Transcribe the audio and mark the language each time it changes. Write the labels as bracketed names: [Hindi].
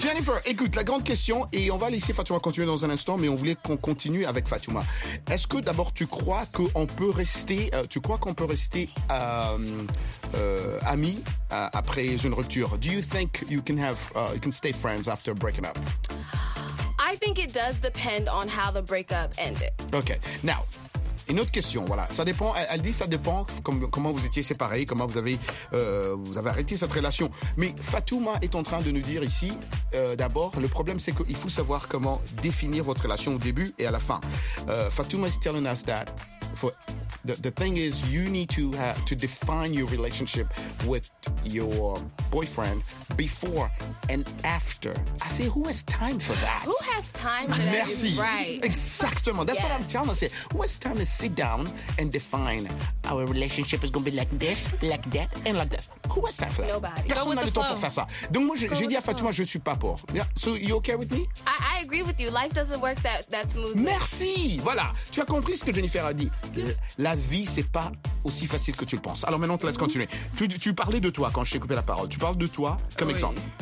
[French] Jennifer, écoute, la grande question, et on va laisser Fatouma continuer dans un instant, mais on voulait qu'on continue avec Fatouma. Est-ce que d'abord tu crois qu'on peut rester, amis après une rupture? [English] Do you think you can stay friends after breaking up? I think it does depend on how the breakup ended. [French] Okay. Now. Une autre question, voilà. Ça dépend, elle dit ça dépend comment vous étiez séparés, comment vous avez arrêté cette relation. Mais Fatouma est en train de nous dire ici, d'abord, le problème c'est qu'il faut savoir comment définir votre relation au début et à la fin. [English] Fatouma is telling us that the thing is you need to define your relationship with your boyfriend before and after. I say, who has time for that? Who has time for that? [French] Merci. [English] Right. Exactement. That's what I'm telling us. Who has time to sit down and define our relationship is going to be like this, like that, and like that? Who has time for that? Nobody. [French] Personne n'a le temps pour faire ça. Donc moi, j'ai dit à Fatouma, je ne suis pas pour. [English] Yeah. So, you okay with me? I agree with you. Life doesn't work that smoothly. [French] Merci. Voilà. Tu as compris ce que Jennifer a dit. La vie, ce n'est pas aussi facile que tu le penses. Alors maintenant, on te laisse continuer. Tu parlais de toi quand je t'ai coupé la parole. Tu parles de toi comme exemple.